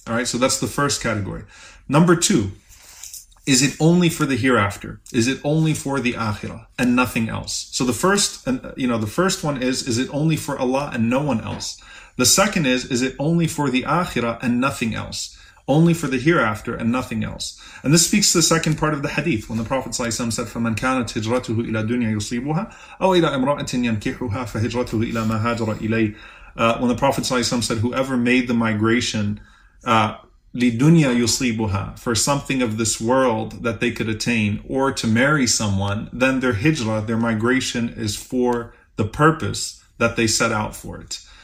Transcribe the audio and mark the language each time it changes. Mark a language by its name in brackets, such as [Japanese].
[English] All right, so that's the first category. Number two, is it only for the hereafter? Is it only for the akhirah and nothing else? So the first, you know, the first one is it only for Allah and no one else? The second is it only for the akhirah and nothing else? Only for the hereafter and nothing else. And this speaks to the second part of the hadith when the Prophet ﷺ said, [Arabic] فَمَنْ كَانَتْ هِجْرَتُهُ إِلَى الدُّنْيَا يُصِيبُهَا أَوْ إِلَى إِمْرَأَةٍ يَنْكِحُهَا فَهِجْرَتُهُ إِلَى مَا هَاجَرَ إِلَيْهِ. [English] When the Prophet ﷺ said, whoever made the migration, [Arabic] لِدُنْيَا يُصِيبُهَا, [English] for something of this world that they could attain, or to marry someone, then their hijra, their migration, is for the purpose that they set out for it.